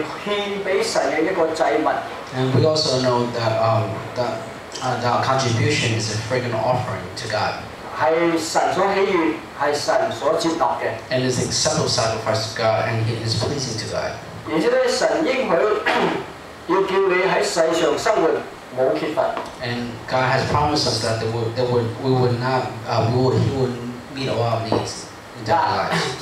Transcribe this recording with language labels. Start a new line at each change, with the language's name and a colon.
Cantonese: 他又知道奉獻咧係獻俾神嘅一個祭物。And
English: we also know that that contribution is a fragrant offering to God.
Cantonese: 係神所喜悅，係神所接納嘅。And
English: it's acceptable sacrifice to God, and it is pleasing to God.
Cantonese: 而且咧，神應許要叫你喺世上生活冇缺乏。And
English: God has promised us that he would meet all our needs.